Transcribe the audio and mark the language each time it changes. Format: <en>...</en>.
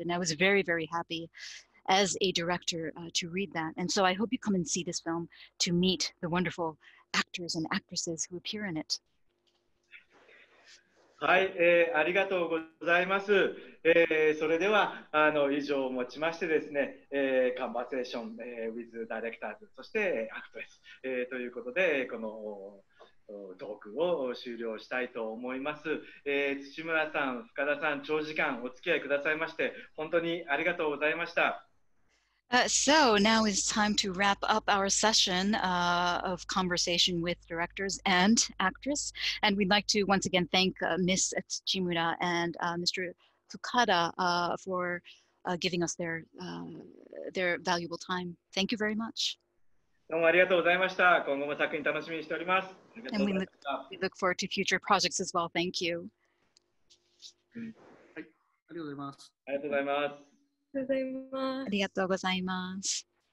<en>And I was very, very happy as a director to read that. And so I hope you come and see this film to meet the wonderful actors and actresses who appear in it.</en> <ja>はい、ありがとうございます。それでは以上をもちましてですね、カンバセーション、with ダイレクターズ、そしてアクトレス、ということでこのトークを終了したいと思います。土村さん、深田さん、長時間お付き合いくださいまして本当にありがとうございました。</ja> <en>So now is time to wrap up our session of conversation with directors and actress. And we'd like to once again thank Ms. Tsujimura and Mr. Fukada for giving us their valuable time. Thank you very much.</en> <ja>どうもありがとうございました。今後も作品楽しみにしております。</ja> <en>And we look forward to future projects as well. Thank you.</en> <ja>はい、ありがとうございます。ありがとうございます。ありがとうございます。</ja>